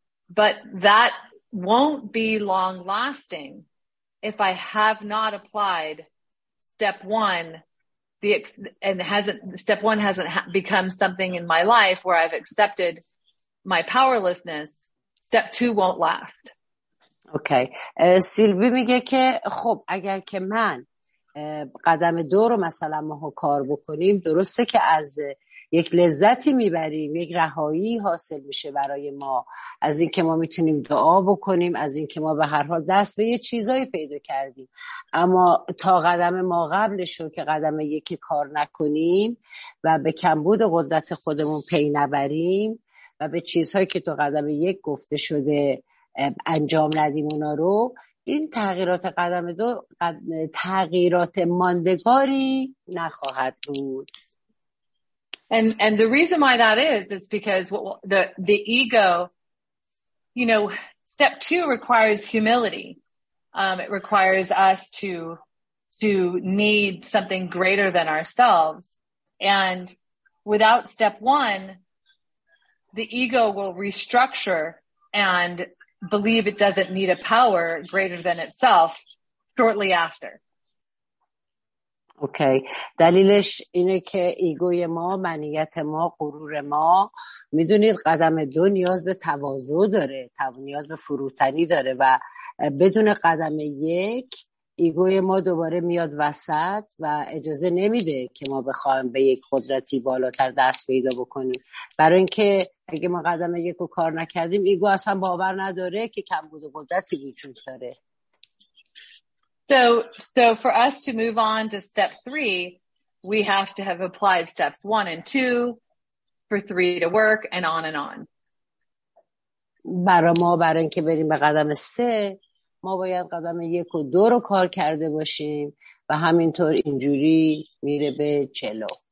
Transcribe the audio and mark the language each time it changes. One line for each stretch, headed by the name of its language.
English: But that won't be long lasting if I have not applied step one, become something in my life where I've accepted my powerlessness. Step two won't last.
Persian: اوکی سیلوی میگه که خب اگر که من قدم دو رو مثلا ماها کار بکنیم، درسته که از یک لذتی میبریم، یک رهایی حاصل میشه برای ما از این که ما میتونیم دعا بکنیم، از این که ما به هر حال دست به یه چیزایی پیدا کردیم، اما تا قدم ما قبلشو که قدم یکی کار نکنیم و به کمبود قدرت خودمون پی نبریم و به چیزهایی که تو قدم یک گفته شده انجام ندیم اونا رو، این تغییرات قدم دو تغییرات ماندگاری نخواهد بود.
English: And the reason why that is because the ego, you know, step two requires humility. It requires us to need something greater than ourselves. And without step one, the ego will restructure and believe it doesn't need a power greater than itself shortly after.
Persian: اوکی دلیلش اینه که ایگوی ما، منیت ما، غرور ما، میدونید قدم دو نیاز به تواضع داره، نیاز به فروتنی داره و بدون قدم یک ایگوی ما دوباره میاد وسط و اجازه نمیده که ما بخوایم به یک قدرتی بالاتر دست پیدا بکنیم، برای اینکه اگه ما قدم یک رو کار نکردیم ایگو اصلا باور نداره که کمبود قدرتی وجود داره.
English: So So for us to move on to step three, we have to have applied steps one and two for three to work and on and on.
Persian: برای ما برای اینکه بریم به قدم سه ما باید قدم یک و دو رو کار کرده باشیم و همینطور اینجوری میره به چلو.